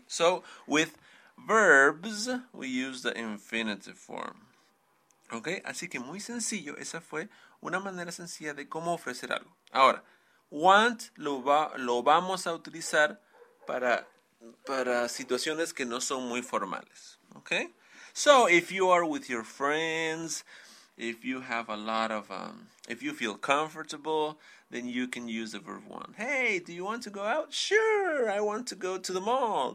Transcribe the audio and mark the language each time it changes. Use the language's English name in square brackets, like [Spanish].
[English] So, with verbs, we use the infinitive form. [Spanish] ¿Ok? Así que muy sencillo. Esa fue una manera sencilla de cómo ofrecer algo. Ahora, want lo vamos a utilizar para situaciones que no son muy formales. ¿Ok? [English] So, if you are with your friends, if you have a lot of, if you feel comfortable, then you can use the verb want. Hey, do you want to go out? Sure, I want to go to the mall.